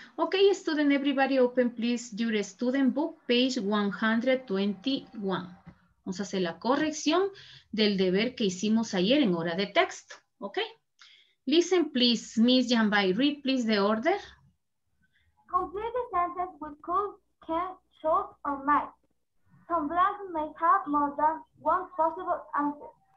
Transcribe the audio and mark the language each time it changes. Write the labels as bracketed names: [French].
[English] Okay, student, everybody open, please, your student book, page 121. [Spanish] Vamos a hacer la corrección del deber que hicimos ayer en hora de texto, okay? [English] Listen, please, Miss Yambai, read, please, the order. Complete the sentence with could, can, should, or might. Some blanks may have more than one possible answer.